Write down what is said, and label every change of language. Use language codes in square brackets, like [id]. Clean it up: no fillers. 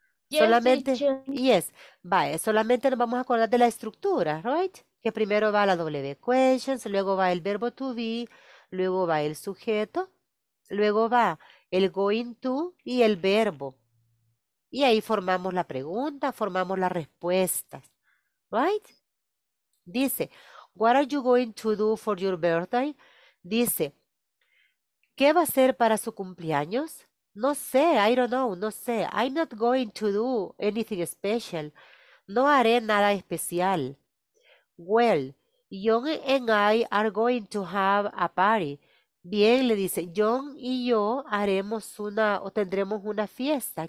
[es] Solamente, yes, vaya, solamente nos vamos a acordar de la estructura, right? Que primero va la W questions, luego va el verbo to be, luego va el sujeto, luego va el going to y el verbo. Y ahí formamos la pregunta, formamos las respuestas, right? [en] Dice, what are you going to do for your birthday? [es] Dice, ¿qué va a hacer para su cumpleaños? No sé, [en] I don't know, [es] no sé. [en] I'm not going to do anything special. [es] No haré nada especial. [en] Well, John and I are going to have a party. [es] Bien, le dice, John y yo haremos una o tendremos una fiesta.